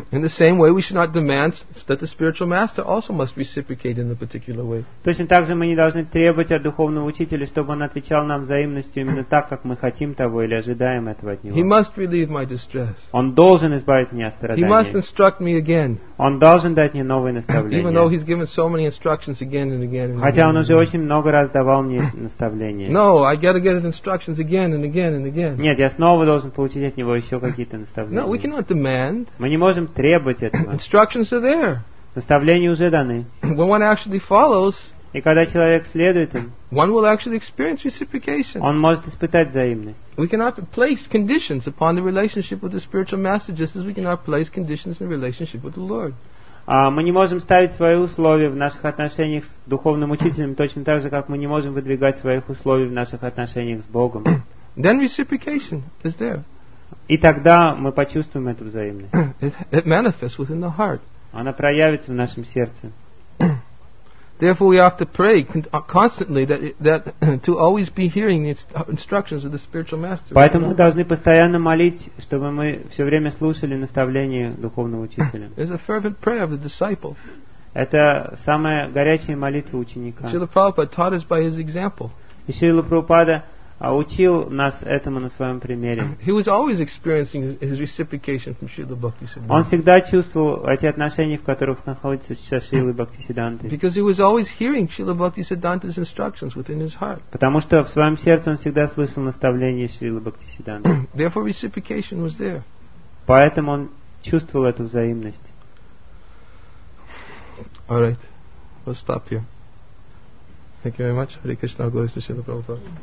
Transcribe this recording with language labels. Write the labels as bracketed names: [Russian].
[English] In the same way, we should not demand that the spiritual master also must reciprocate in a particular way. [Russian] Точно так же мы не должны требовать от духовного учителя, чтобы он отвечал нам взаимностью именно так, как мы хотим того или ожидаем этого от него. [English] He must relieve my distress. [Russian] Он должен избавить меня от страданий. [English] He must instruct me again. [Russian] Он должен дать мне новые наставления. [English] Even though he's given so many instructions again and again. [Russian] Хотя он уже очень много раз давал мне наставления. [English] No, I gotta get his instructions again. Again and again and again. [Russian] Нет, я снова должен получить от него еще какие-то наставления. [English] No, we cannot demand. [Russian] Мы не можем требовать этого. [English] Instructions are there. [Russian] Наставления уже даны. [English] When one actually follows, [Russian] и когда человек следует им, [English] one will actually experience reciprocation. [Russian] Он может испытать взаимность. [English] We cannot place conditions upon the relationship with the spiritual master, just as we cannot place conditions in the relationship with the Lord. [Russian] Мы не можем ставить свои условия в наших отношениях с духовным учителем точно так же, как мы не можем выдвигать своих условий в наших отношениях с Богом. [English] Then reciprocation is there. [Russian] И тогда мы почувствуем эту взаимность. [English] It manifests within the heart. [Russian] Она проявится в нашем сердце. [English] Therefore, we have to pray constantly that to always be hearing the instructions of the spiritual master. [Russian] Поэтому мы должны постоянно молить, чтобы мы все время слушали наставления духовного учителя. [English] It's a fervent prayer of the disciple. [Russian] Это самая горячая молитва ученика. [English] Шрила Прабхупада taught us by his example. [Russian] И Шрила Прабхупада учил нас этому на своем примере. [English] He was always experiencing his reciprocation from Srila Bhaktisiddhanta. [Russian] Он всегда чувствовал эти отношения, в которых находится сейчас Шрила Бхактисиддханта. [English] Because he was always hearing Srila Bhaktisiddhanta's instructions within his heart. [Russian] Потому что в своем сердце он всегда слышал наставления Шрилы Бхактисиддханта. [English] Therefore, reciprocation was there. [Russian] Поэтому он чувствовал эту взаимность. [English] All right, we'll stop here. Thank you very much. Hare Krishna, glories to Srila Prabhupada.